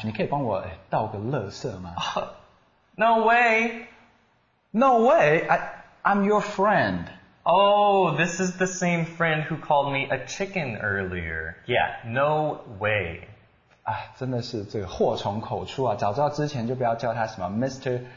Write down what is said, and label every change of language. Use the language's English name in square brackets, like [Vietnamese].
[Chinese] 你可以帮我倒个垃圾吗？ [English] No way. No way. I'm your friend. Oh, this is the same friend who called me a chicken earlier. Yeah, no way. [Chinese] 啊，真的是这个祸从口出啊！早知道之前就不要叫他什么 Mr.